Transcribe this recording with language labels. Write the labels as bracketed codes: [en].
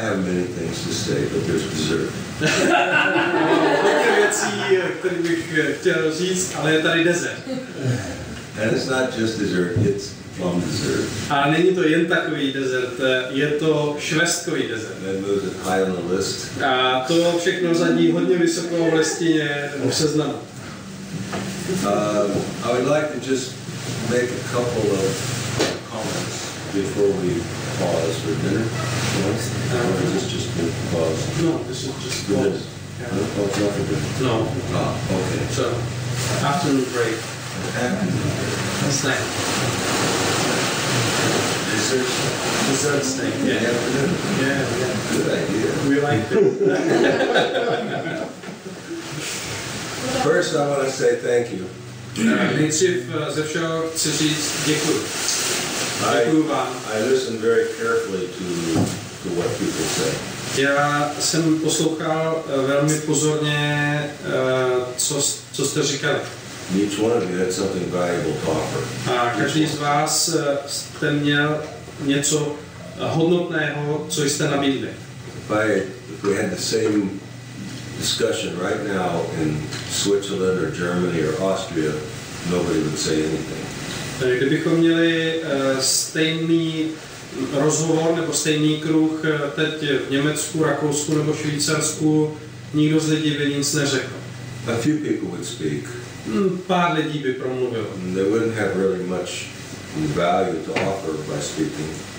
[en] many things to say, but there's dessert. [cs] Hodně věcí, které bych chtěl říct, ale je tady dessert. [en] And it's not just dessert, it's plum dessert. [cs] A není to jen takový dessert, je to švestkový dessert. [en] That moves it high on the list. [cs] A to všechno zadní hodně vysoko v listině v seznamu. [en] I would like to just make a couple of comments before we pause for dinner. Is this just a pause? No, this is just a pause. Yeah. Oh, it's not for dinner? No. Ah, okay. So, afternoon break. Snack. Dessert snack. Yeah. Afternoon? Yeah, yeah. Good idea. We like it. First, I want to say thank you. [cs] Nejdřív ze všeho chci říct děkuji. Děkuji vám. [en] I listen very carefully to what people say. [cs] Já jsem poslouchal velmi pozorně, co jste říkali. [en] Each one of you had something valuable to offer. [cs] A každý z vás jste měl něco hodnotného, co jste nabídli. [en] If we had the same discussion right now in Switzerland or Germany or Austria, nobody would say anything. [cs] Kdybychom měli stejný rozhovor nebo stejný kruh teď v Německu, Rakousku nebo Švýcarsku, nikdo z lidí by nic neřekl. [en] A few people would speak. [cs] Pár lidí by promluvil. [en] They wouldn't have really much value to offer by speaking.